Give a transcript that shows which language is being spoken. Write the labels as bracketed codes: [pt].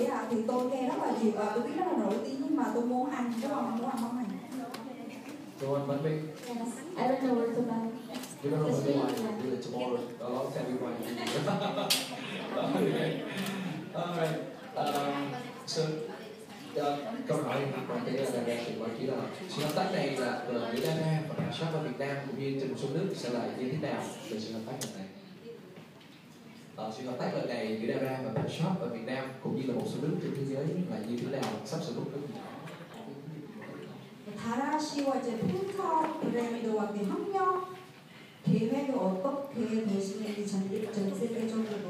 [vi] thì tôi nghe rất là nhiều và tôi biết rất là nổi tiếng, nhưng mà tôi muốn ăn, đúng không? Muốn ăn món này. [en] Do you want one big? Yes. I don't know where to buy. You don't know where to buy. Do it tomorrow. I'll tell you why. Okay. All right. [vi] So, câu hỏi của bạn đây là đại diện báo chí đó. Sự hợp tác này là giữa Việt Nam và cảnh sát của Việt Nam cũng như trên một số nước sẽ là như thế nào về sự hợp tác lần này? Sự hợp tác lần này giữa Đài và cảnh sát ở Việt Nam cũng như là một số nước trên thế giới là như thế nào? Sắp sửa bước tiếp. [ko] 다라 씨와 이제 펜타운 브랜드와 이제 협력 계획을 어떻게 내시는지 전 세계적으로